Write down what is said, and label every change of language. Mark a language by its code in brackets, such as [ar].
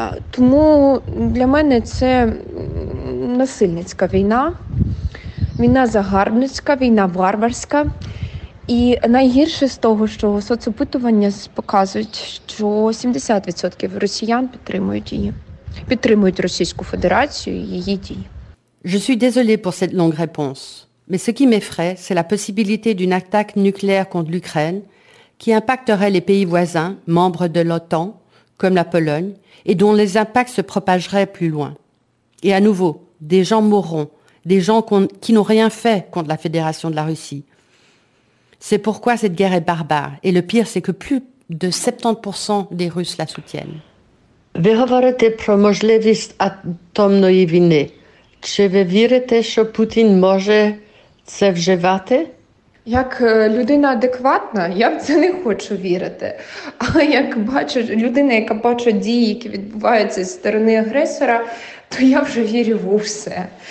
[uk] Тому для мене це насильницька війна. Війна загарбницька, війна варварська. І найгірше з того, що соцопитування показують, що 70% росіян підтримують її. Підтримують Російську Федерацію і її дії. [fr] Je suis désolée pour cette longue réponse, mais ce qui m'effraie, c'est la possibilité d'une attaque nucléaire contre l'Ukraine qui impacterait les pays voisins, membres de l'OTAN, comme la Pologne, et dont les impacts se propageraient plus loin. Et à nouveau, des gens mourront, des gens qui n'ont rien fait contre la Fédération de la Russie. C'est pourquoi cette guerre est barbare, et le pire, c'est que plus de 70% des Russes la soutiennent. [uk] Ви говорите про можливість атомної війни. Чи ви вірите, що Путін може це вживати? Як людина адекватна, я в це не хочу вірити. Але як бачу людина, яка бачить дії, які відбуваються зі сторони агресора, то я вже вірю в усе.